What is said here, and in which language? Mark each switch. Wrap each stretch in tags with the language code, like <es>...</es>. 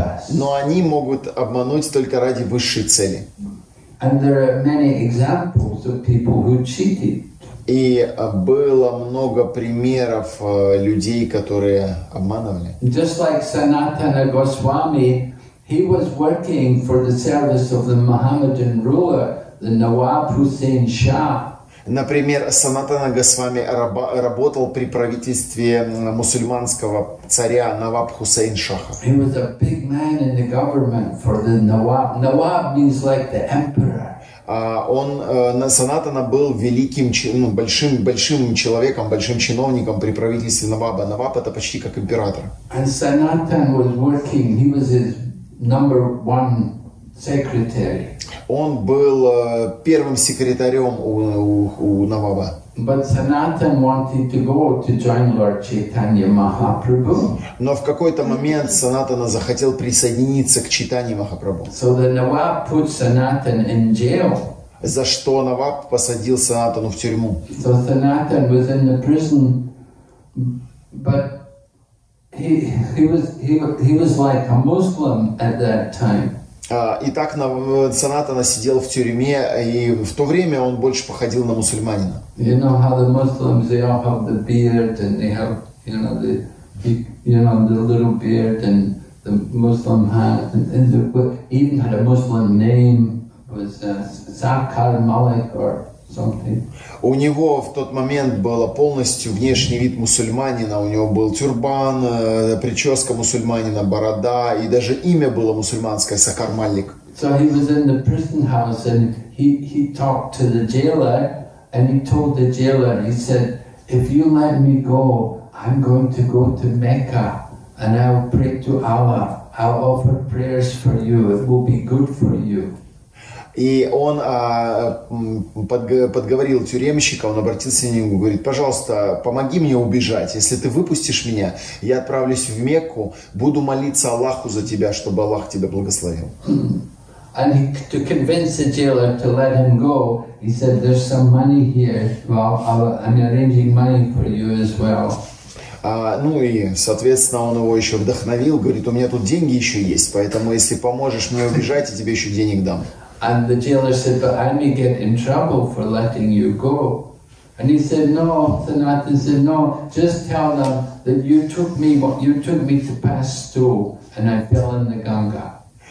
<ru>Но они могут обмануть только ради высшей цели. И было много примеров людей, которые обманывали.</ru> <en>Just like Sanatana Goswami, he was working for the service of the Mohammedan ruler. The Nawab Hussain Shah.</en> <ru>Например, Санатана Госвами работал при правительстве мусульманского царя Наваб Хусейн Шаха.</ru> <en>He was a big man in the government for the Nawab. Nawab means like the emperor.</en> <ru>Санатана был великим, большим человеком, большим чиновником при правительстве Наваба. Наваб это почти как император.</ru> <en>And Sanatana was working. He was his number one secretary.</en> <ru>Он был первым секретарем у Наваба.</ru> <en>But Sanatana wanted to go to join Lord Chaitanya Mahaprabhu.</en> <ru>Но в какой-то момент Санатана захотел присоединиться к Чайтанье Махапрабху.</ru> <en>So the Nawab put Sanatana in jail.</en> <ru>За что Наваб посадил Санатану в тюрьму.</ru> <en>So Sanatana was in the prison, but he was like a Muslim at that time.</en> <ru>Итак, Санатана сидел в тюрьме, и в то время он больше походил на мусульманина.</ru> <en>You know how the Muslims, they all have the beard, and they have, the little beard, and the Muslim hat, and they even had a Muslim name, was Zakar Malik, or something.</en> <ru>У него в тот момент был полностью внешний вид мусульманина. У него был тюрбан, прическа мусульманина, борода, и даже имя было мусульманское, Сакар Малик.</ru> <en>So he was in the prison house and he talked to the jailer and he told the jailer, he said, if you let me go, I'm going to go to Mecca and I'll pray to Allah. I'll offer prayers for you. It will be good for you.</en> <ru>И он подговорил тюремщика, он обратился к нему и говорит, пожалуйста, помоги мне убежать. Если ты выпустишь меня, я отправлюсь в Мекку, буду молиться Аллаху за тебя, чтобы Аллах тебя благословил.</ru> <en>And to convince the jailer to let him go, he said, there's some money here, well, I'm arranging money for you as well.</en> <ru>Соответственно, он его еще вдохновил, говорит, у меня тут деньги еще есть, поэтому если поможешь мне убежать, я тебе еще денег дам.</ru> <en>And the jailer said, but I may get in trouble for letting you go. And he said, no, Sanatana said, no, just tell them that you took me to Pasto and I fell in the Ganga.</en>